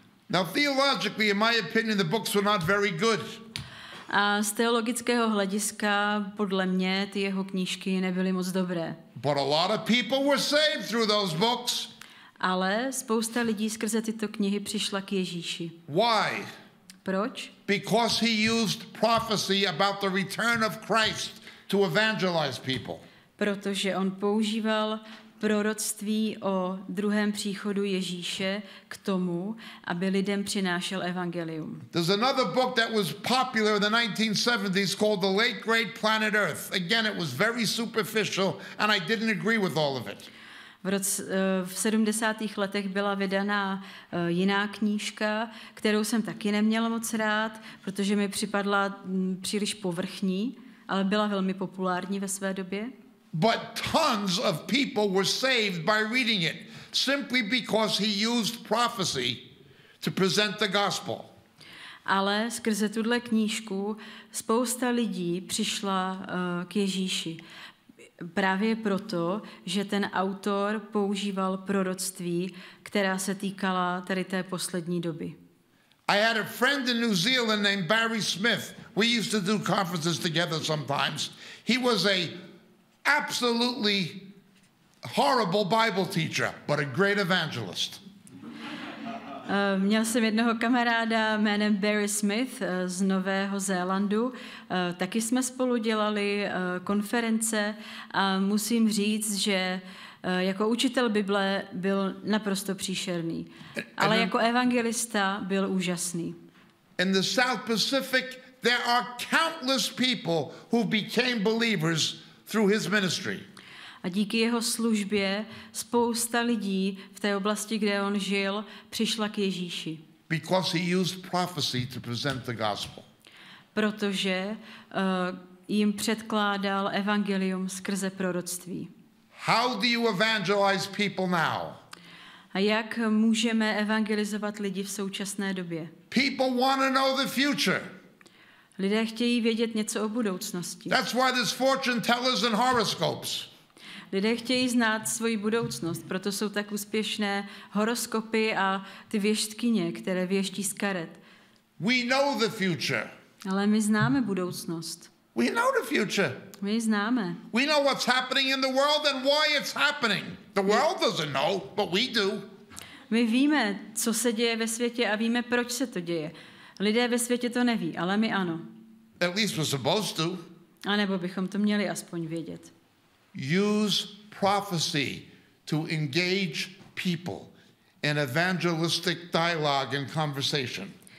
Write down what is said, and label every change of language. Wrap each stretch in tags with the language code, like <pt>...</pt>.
<en>Now theologically, in my opinion, the books were not very good.</en> <cs>A z teologického hlediska, podle mě, ty jeho knížky nebyly moc dobré.</cs> <en>But a lot of people were saved through those books.</en> <cs>Ale spousta lidí skrze tyto knihy přišla k Ježíši.</cs> <en>Why?</en> <cs>Proč?</cs> <en>Because he used prophecy about the return of Christ to evangelize people.</en> <cs>Protože on používal proroctví o druhém příchodu Ježíše k tomu, aby lidem přinášel evangelium.</cs> <en>There's another book that was popular in the 1970s called The Late Great Planet Earth. Again, it was very superficial and I didn't agree with all of it.</en> <cs>V 70. letech byla vydaná jiná knížka, kterou jsem taky neměla moc rád, protože mi připadla příliš povrchní, ale byla velmi populární ve své době.</cs> <en>But tons of people were saved by reading it, simply because he used prophecy to present the gospel.</en> <cs>Ale skrze tuhle knížku spousta lidí přišla k Ježíši. Právě proto, že ten autor používal proroctví, která se týkala tady té poslední doby.</cs> <en>I had a friend in New Zealand named Barry Smith. We used to do conferences together sometimes. He was a absolutely horrible Bible teacher, but a great evangelist.</en> <cs>Měl jsem jednoho kamaráda jménem Barry Smith z Nového Zélandu. Taky jsme spolu dělali konference a musím říct, že jako učitel Bible byl naprosto příšerný, ale jako evangelista byl úžasný.</cs> <en>In the South Pacific there are countless people who became believers through his ministry.</en> <cs>A díky jeho službě spousta lidí v té oblasti, kde on žil, přišla k Ježíši.</cs> <en>Because he used prophecy to present the gospel.</en> <cs>Protože jim předkládal evangelium skrze proroctví.</cs> <en>How do you evangelize people now?</en> <cs>A jak můžeme evangelizovat lidi v současné době?</cs> <en>People want to know the future.</en> <cs>Lidé chtějí vědět něco o budoucnosti.</cs> <en>That's why there's fortune tellers and horoscopes.</en> <cs>Lidé chtějí znát svoji budoucnost, proto jsou tak úspěšné horoskopy a ty věštkyně, které věští z karet.</cs> <en>We know the future.</en> <cs>Ale my známe budoucnost.</cs> <en>We know the future.</en> <cs>My známe.</cs> <en>We know what's happening in the world and why it's happening. The world doesn't know, but we do.</en> <cs>My víme, co se děje ve světě a víme, proč se to děje. Lidé ve světě to neví, ale my ano.</cs> <en>At least we're supposed to.</en> <cs>A nebo bychom to měli aspoň vědět.</cs> <en>Use prophecy to engage people in evangelistic dialogue and conversation.</en>